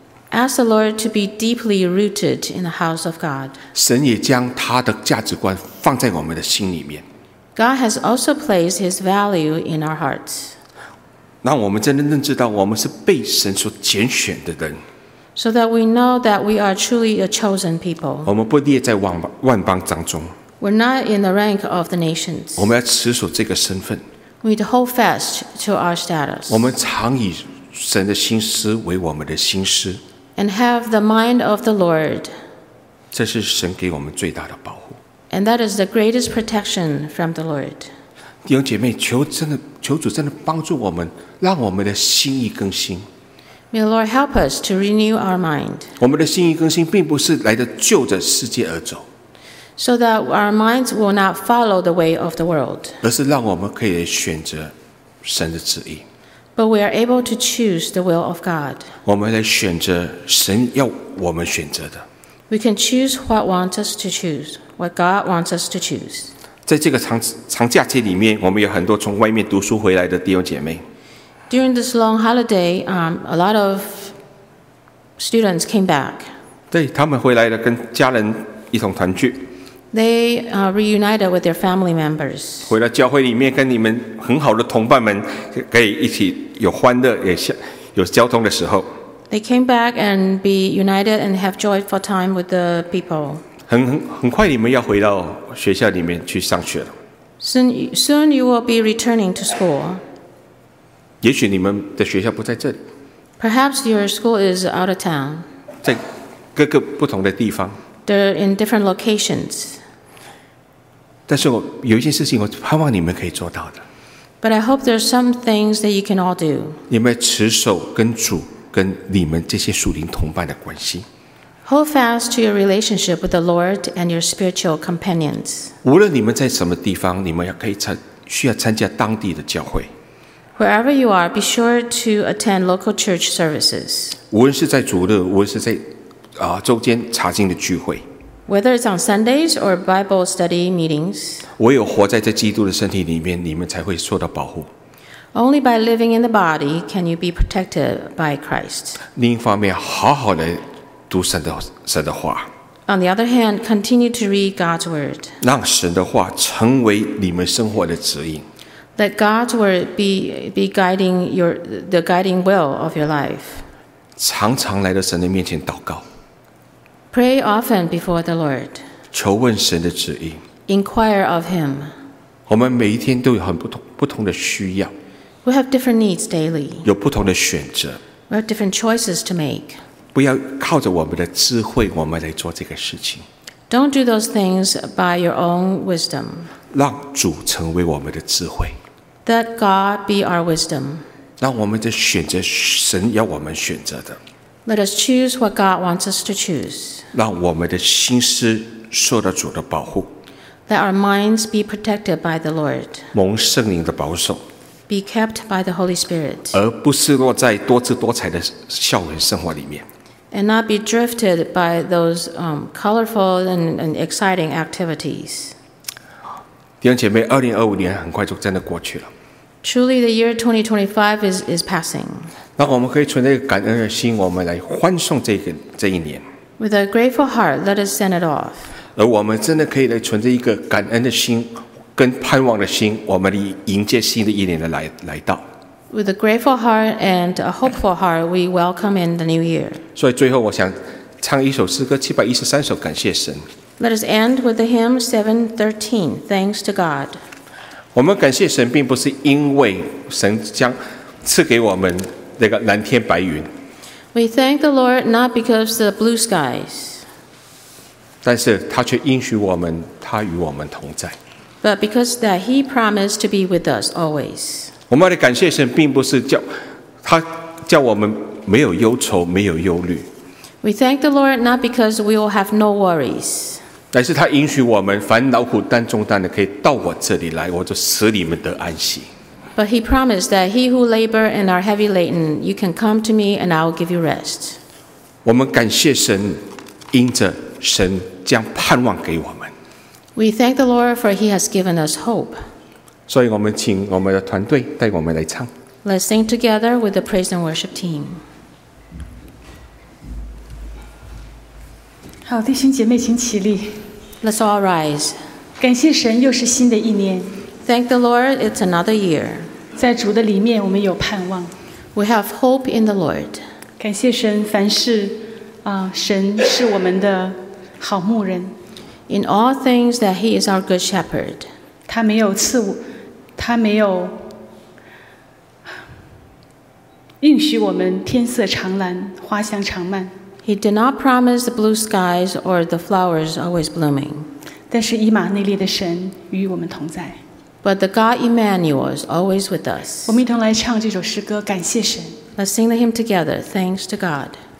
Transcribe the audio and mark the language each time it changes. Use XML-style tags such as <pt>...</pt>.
<en>Ask the Lord to be deeply rooted in the house of God.</en> <zh>神也将他的价值观放在我们的心里面。</zh> <en>God has also placed His value in our hearts.</en> <zh>让我们真的认知到我们是被神所拣选的人。</zh> <en>So that we know that we are truly a chosen people.</en> <zh>我们不列在万邦当中。</zh> <en>We're not in the rank of the nations.</en> <zh>我们要持守这个身份。</zh> <en>We need to hold fast to our status.</en> <zh>我们常以神的心思为我们的心思。</zh> <en>And have the mind of the Lord.</en> <zh>这是神给我们最大的保护。</zh> <en>And that is the greatest protection from the Lord.</en> <zh>弟兄姐妹，求主真的帮助我们，让我们的心意更新。</zh> <en>May the Lord help us to renew our mind.</en> <zh>我们的心意更新，并不是来的就着世界而走。</zh> <en>So that our minds will not follow the way of the world.</en> <zh>而是让我们可以选择神的旨意。</zh> <en>But we are able to choose the will of God.</en> <zh>我们来选择神要我们选择的。</zh> <en>We can choose what wants us to choose, what God wants us to choose.</en> <zh>在这个 长假期里面，我们有很多从外面读书回来的弟兄姐妹。</zh> <en>During this long holiday, a lot of students came back.</en> <zh>对，他们回来了，跟家人一同团聚。</zh> <en>They reunited with their family members.</en> <zh>回到教会里面，跟你们很好的同伴们可以一起有欢乐，也有交通的时候。</zh> <en>They came back and be united and have joyful time with the people.</en> <zh>很快你们要回到学校里面去上学了。</zh> <en>Soon you will be returning to school.</en> <zh>也许你们的学校不在这里。</zh> <en>Perhaps your school is out of town.</en> <zh>在各个不同的地方。</zh> <en>They're in different locations.</en> <zh>但是我有一件事情我盼望你们可以做到的。</zh> <en>But I hope there's some things that you can all do.</en> <zh>你们持守跟主跟你们这些属灵同伴的关系。</zh> <en>Hold fast to your relationship with the Lord and your spiritual companions.</en> <zh>无论你们在什么地方，你们要可以需要参加当地的教会。</zh> <en>Wherever you are, be sure to attend local church services.</en> <zh>无论是在主日，无论是在周间查经的聚会。</zh> <en>Whether it's on Sundays or Bible study meetings.</en> <zh>唯有活在这基督的身体里面，你们才会受到保护。</zh> <en>Only by living in the body can you be protected by Christ.</en> <zh>另一方面，好好的读神的话。</zh> <en>On the other hand, continue to read God's word.</en> <zh>让神的话成为你们生活的指引。</zh> <en>Let God's word be guiding the guiding will of your life.</en> <zh>常常来到神的面前祷告。</zh> <en>Pray often before the Lord.</en> <zh>求问神的旨意。</zh> <en>Inquire of Him.</en> <zh>我们每一天都有很不同的需要。</zh> <en>We have different needs daily.</en> <zh>有不同的选择。</zh> <en>We have different choices to make.</en> <zh>不要靠着我们的智慧，我们来做这个事情。</zh> <en>Don't do those things by your own wisdom.</en> <zh>让主成为我们的智慧。</zh> <en>Let God be our wisdom.</en> <zh>让我们的选择，神要我们选择的。</zh> <en>Let us choose what God wants us to choose.</en> <zh>让我们的心思受到主的保护。</zh> <en>Let our minds be protected by the Lord.</en> <zh>蒙圣灵的保守。</zh> <en>Be kept by the Holy Spirit.</en> <zh>而不失落在多姿多彩的校园生活里面。</zh> <en>And not be drifted by those colorful and exciting activities.</en> <zh>弟兄姐妹，2025年很快就真的过去了。</zh> <en>Truly, the year 2025 is passing.</en> <zh>那我们可以存着感恩的心，我们来欢送这一年。</zh> <en>With a grateful heart, let us send it off.</en> <zh>而我们真的可以来存着一个感恩的心，跟盼望的心，我们迎接新的一年的来到。</zh> <en>With a grateful heart and a hopeful heart, we welcome in the new year.</en> <zh>所以最后我想唱一首诗歌，713首，感谢神。</zh> <en>Let us end with the hymn 713, Thanks to God.</en> <zh>我们感谢神，并不是因为神将赐给我们那个蓝天白云。</zh> <en>We thank the Lord not because of the blue skies.</en> <zh>但是他却应许我们，他与我们同在。</zh> <en>But because that he promised to be with us always.</en> <zh>我们的感谢神，并不是他叫我们没有忧愁，没有忧虑。</zh> <en>We thank the Lord not because we will have no worries.</en> <zh>但是他允许我们烦恼苦担重担的可以到我这里来，我就使你们得安息。</zh> <en>But he promised that he who labor and are heavy laden, you can come to me and I will give you rest.</en> <zh>我们感谢神，因着神将盼望给我们。</zh> <en>We thank the Lord for he has given us hope.</en> <zh>所以我们请我们的团队带我们来唱。</zh> <en>Let's sing together with the praise and worship team.</en> <zh>好，弟兄姐妹，请起立。</zh> <en>Let's all rise.</en> <zh>感谢神，又是新的一年。</zh> <en>Thank the Lord, it's another year.</en> <zh>在主的里面，我们有盼望。</zh> <en>We have hope in the Lord.</en> <zh>感谢神，凡事神是我们的好牧人。</zh> <en>In all things that He is our good shepherd.</en> <zh>他没有应许我们天色常蓝，花香常漫。</zh> <en>He did not promise the blue skies or the flowers always blooming.</en> <zh>但是以马内利的神与我们同在。</zh> <en>But the God Emmanuel is always with us.</en> <zh>我们一同来唱这首诗歌，感谢神。</zh> <en>Let's sing the hymn together, Thanks to God.</en>